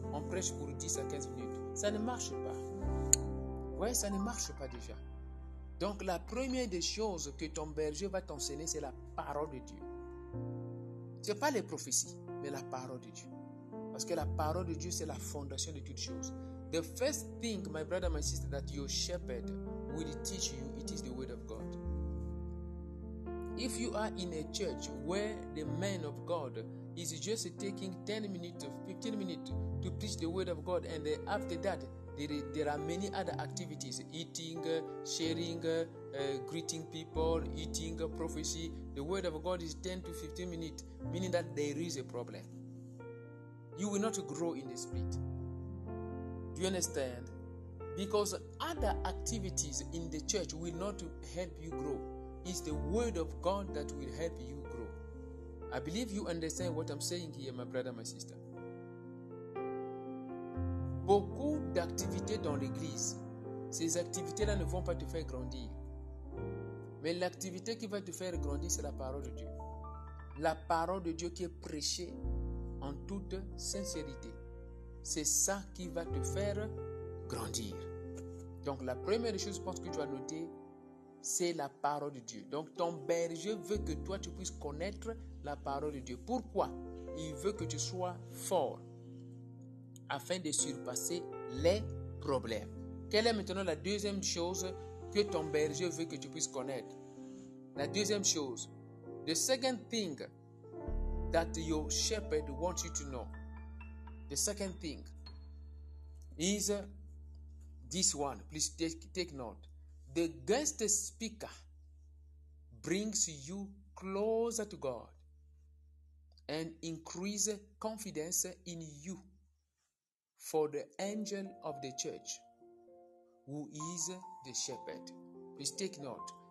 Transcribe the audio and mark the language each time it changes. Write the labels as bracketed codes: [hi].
[fr] On prêche pour 10 à 15 minutes. Ça ne marche pas. Oui, ça ne marche pas déjà. Donc, la première des choses que ton berger va t'enseigner, c'est la parole de Dieu. Ce n'est pas les prophéties, mais la parole de Dieu. Parce que la parole de Dieu, c'est la fondation de toutes choses. [en] The first thing, my brother, my sister, that your shepherd will teach you, it is the word of God. If you are in a church where the man of God is just taking 10 minutes, 15 minutes to preach the word of God, and after that, There are many other activities, eating, sharing, greeting people, eating, prophecy. The word of God is 10 to 15 minutes, meaning that there is a problem. You will not grow in the spirit. Do you understand? Because other activities in the church will not help you grow. It's the word of God that will help you grow. I believe you understand what I'm saying here, my brother, my sister. [fr] Beaucoup d'activités dans l'église, ces activités-là ne vont pas te faire grandir. Mais l'activité qui va te faire grandir, c'est la parole de Dieu. La parole de Dieu qui est prêchée en toute sincérité. C'est ça qui va te faire grandir. Donc la première chose, je pense que tu as noté, c'est la parole de Dieu. Donc ton berger veut que toi tu puisses connaître la parole de Dieu. Pourquoi? Il veut que tu sois fort afin de surpasser les problèmes. Quelle est maintenant la deuxième chose que ton berger veut que tu puisses connaître? La deuxième chose. [en] The second thing that your shepherd wants you to know. The second thing is this one. Please take note. The guest speaker brings you closer to God and increases confidence in you for the angel of the church who is the shepherd. Please take note.